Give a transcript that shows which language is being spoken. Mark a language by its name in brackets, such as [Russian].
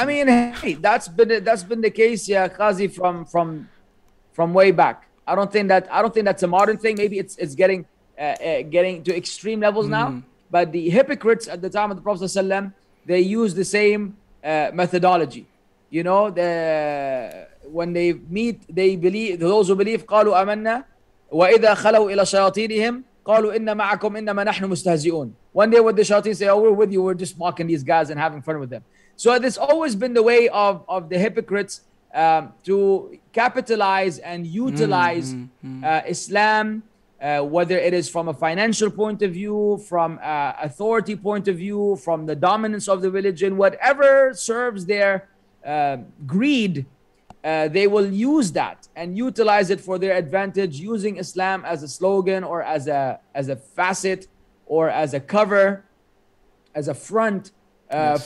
[English] I mean, hey, that's been the case, yeah, Qazi, from way back. I don't think that's a modern thing. Maybe it's getting getting to extreme levels now. But the hypocrites at the time of the Prophet ﷺ, they use the same methodology. You know, the when they meet, they believe, those who believe, [Arabic] قالوا أمنا وإذا خلوا إلى شياطينهم قالوا إن معكم إنما نحن مستهزئون. [English] One day with the shayateen say, oh, we're with you. We're just mocking these guys and having fun with them. So it's always been the way of the hypocrites to capitalize and utilize Islam, whether it is from a financial point of view, from an authority point of view, from the dominance of the religion, whatever serves their greed, they will use that and utilize it for their advantage, using Islam as a slogan or as a facet or as a cover, as a front. Yes.